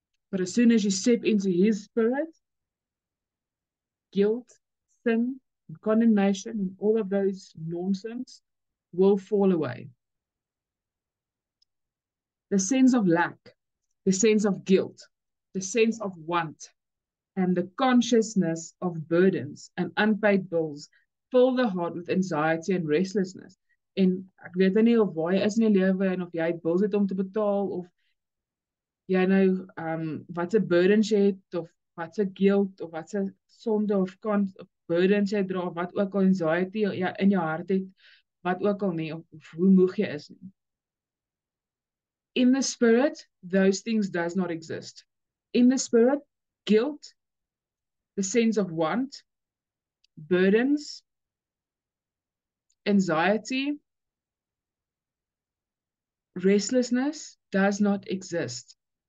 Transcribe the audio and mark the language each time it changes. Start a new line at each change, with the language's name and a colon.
English: But as soon as you step into his spirit, guilt, sin, and condemnation, and all of those nonsense will fall away. The sense of lack, the sense of guilt, the sense of want, and the consciousness of burdens and unpaid bills fill the heart with anxiety and restlessness.
Afrikaans: En ek weet nie of waar jy is in jou lewe en of jy bills het om te betaal of jy nou wat se burdens jy het of wat se guilt of wat se sonde of burdens jy dra, wat ook al anxiety jy in jou hart het, wat ook al nie of hoe moeg jy is nie.
English: In the spirit, those things does not exist. In the spirit, guilt, the sense of want, burdens, anxiety, restlessness does not exist.